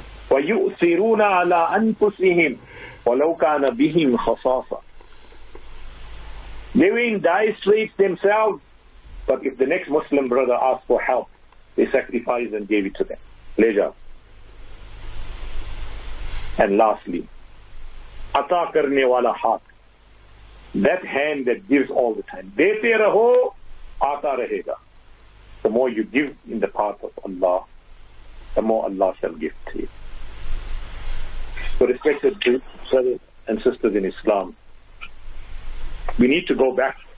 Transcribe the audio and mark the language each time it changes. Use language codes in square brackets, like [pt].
[ar] وَيُؤْثِرُونَ عَلَىٰ أَنفُسِهِمْ وَلَوْ كَانَ بِهِمْ خَصَاصَةٌ. [en] They were in dire straits themselves, but if the next Muslim brother asked for help, they sacrificed and gave it to them. Leisure. And lastly, [ur] عطا کرنے والا ہاتھ. [en] That hand that gives all the time. [ur] دیتے رہو, آتا رہے گا. [en] The more you give in the path of Allah, the more Allah shall give to you. So respected brothers and sisters in Islam, we need to go back.